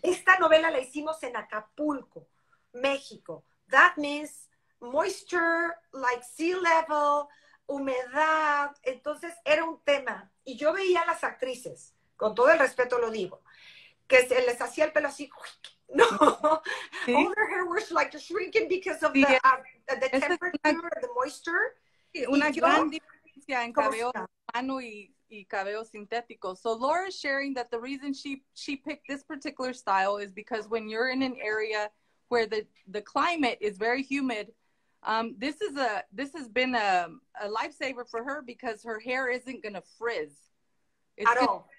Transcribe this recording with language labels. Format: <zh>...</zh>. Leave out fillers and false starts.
<es>Esta novela la hicimos en Acapulco, México.</es> <en>That means moisture, like sea level, humedad.</en> <es>Entonces, era un tema. Y yo veía a las actrices, con todo el respeto lo digo, que se les hacía el pelo así. Uy, no. ¿Sí?</es> <en>All their hair was like shrinking because of the temperature, the moisture.</en> <es>Una gran diferencia en cabello humano y cabello sintético.</es> <en>So Laura is sharing that the reason she picked this particular style is because when you're in an area where the climate is very humid, this has been a lifesaver for her, because her hair isn't going to frizz. It's at all.</en>